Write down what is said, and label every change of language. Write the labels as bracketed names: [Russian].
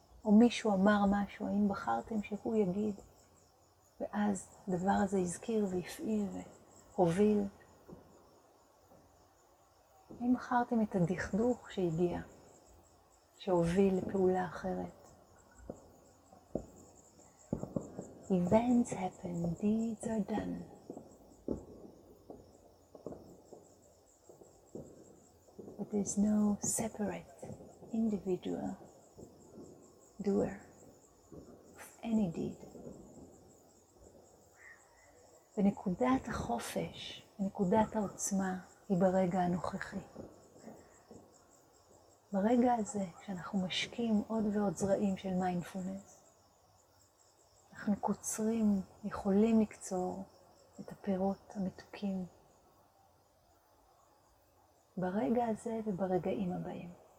[Hebrew] או מישהו אמר משהו, האם בחרתם שהוא יגיד? ואז הדבר הזה הזכיר והפעיל והוביל. האם בחרתם את הדכדוך שהגיע, שהוביל לפעולה אחרת? [English] Events happen, deeds are done. But there's no separate individual doer of any deed. [Hebrew] ונקודת החופש, נקודת העוצמה, היא ברגע הנוכחי. ברגע הזה, כשאנחנו משקיעים עוד ועוד זרעים של מיינדפולנס, אנחנו קוצרים, יכולים לקצור את הפירות המתוקים ברגע הזה וברגעים הבאים.